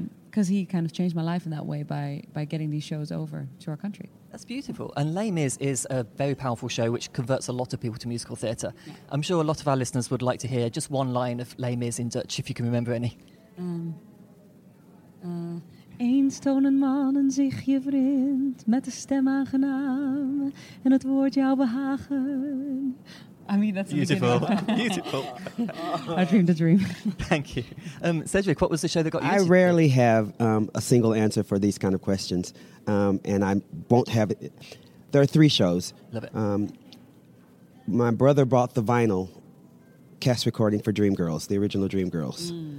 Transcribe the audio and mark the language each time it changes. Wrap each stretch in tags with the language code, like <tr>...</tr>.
<en>Because he kind of changed my life in that way by getting these shows over to our country. That's beautiful. And Les Mis is a very powerful show which converts a lot of people to musical theatre. Yeah. I'm sure a lot of our listeners would like to hear just one line of Les Mis in Dutch, if you can remember any.</en> <nl>Eens tonen mannen zich je vriend met de stem aangenaam en het woord jou behagen.</nl> <en>I mean, that's beautiful. Beautiful. I dreamed a dream. Thank you. Cedric, what was the show that got you? I rarely have a single answer for these kind of questions. And I won't have it. There are three shows. Love it. My brother bought the vinyl cast recording for Dreamgirls, the original Dreamgirls.</en>